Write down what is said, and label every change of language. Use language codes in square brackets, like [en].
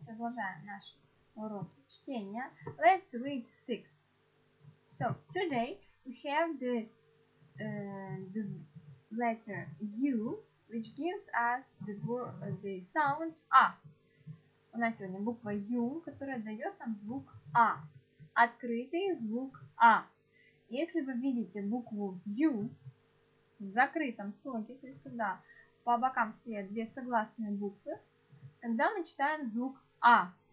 [ru] Продолжаем наш урок чтения. [en] Let's read 6. So, today we have the letter U, which gives us the sound A. [ru] У нас сегодня буква U, которая дает нам звук A. Открытый звук A. Если вы видите букву U в закрытом слоге, то есть когда по бокам стоят две согласные буквы, тогда мы читаем звук А.